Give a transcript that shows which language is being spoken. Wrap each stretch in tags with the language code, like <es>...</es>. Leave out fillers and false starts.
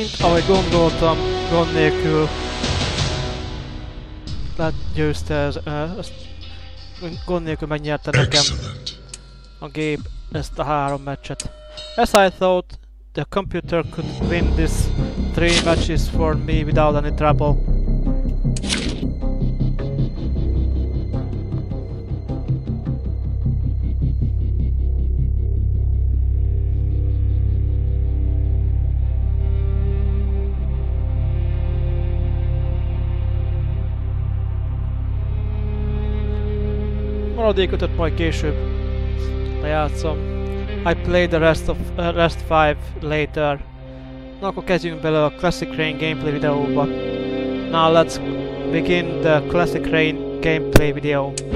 <hu>Gond nélkül legyőzte ez, gond nélkül megnyerte nekem a gép ezt a három meccset.</hu> <en>As I thought, the computer could win this three matches for me without any trouble.</en> <hu>Maradékötöt majd később lejátszom.</hu> <en>I play the rest of rest 5 later.</en> <hu>Na akkor kezdjünk bele a Classic Rain gameplay videóba.</hu> <en>Now let's begin the Classic Rain gameplay video.</en>